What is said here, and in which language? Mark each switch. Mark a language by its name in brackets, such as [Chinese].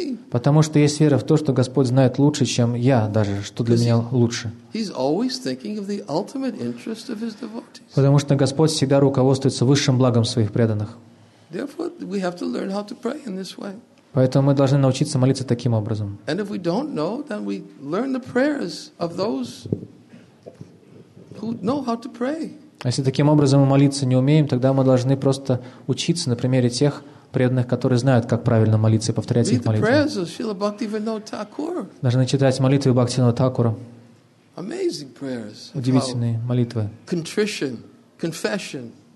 [Russian] Потому что есть вера в то, что Господь знает лучше, чем я даже, что для меня лучше. [English] He's always thinking of the ultimate interest of his devotees. [Russian] Потому что Господь всегда руководствуется высшим благом своих преданных. [English] Therefore, we have to learn how to pray in this way. [Russian] Поэтому мы должны научиться молиться таким образом. [English] And if we don't know, then we learn the prayers of those who know how to pray. [Russian] Если таким образом мы молиться не умеем, тогда мы должны просто учиться на примере тех преданных, которые знают, как правильно молиться и повторять их молитвы. [English] Read the prayers of Śrīla Bhaktivinoda Thakura. [Russian] Должны читать молитвы Бхактивинода Тхакура. [English] Amazing prayers. [Russian] Удивительные молитвы. [English] Contrition, confession.